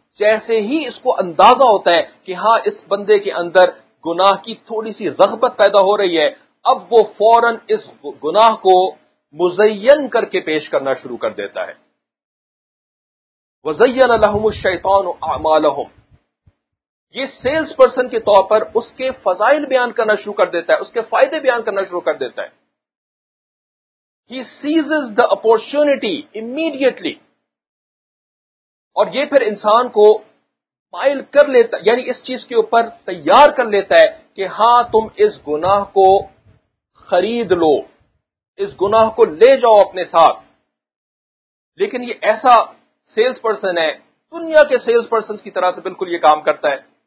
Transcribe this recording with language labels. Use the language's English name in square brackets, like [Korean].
[Urdu] جیسے ہی اس کو اندازہ ہوتا ہے کہ ہاں اس بندے کے اندر گناہ کی تھوڑی سی رغبت پیدا ہو رہی ہے، اب وہ فوراً اس گناہ کو مزین کر کے پیش کرنا شروع کر دیتا ہے. [Arabic] وَزَيَّنَ لَهُمُ الشَّيْطَانُ أَعْمَالَهُمْ، [Urdu] یہ سیلز پرسن کے طور پر اس کے فضائل بیان کرنا شروع کر دیتا ہے، اس کے فائدے بیان کرنا شروع کر دیتا ہے. [English] He seizes the opportunity immediately. [Urdu] اور یہ پھر انسان کو مائل کر لیتا، یعنی اس چیز کے اوپر تیار کر لیتا ہے کہ ہاں تم اس گناہ کو خرید لو، اس گناہ کو لے جاؤ اپنے ساتھ. لیکن یہ ایسا سیلز پرسن ہے، دنیا کے سیلز پرسن کی طرح سے بالکل یہ کام کرتا ہے.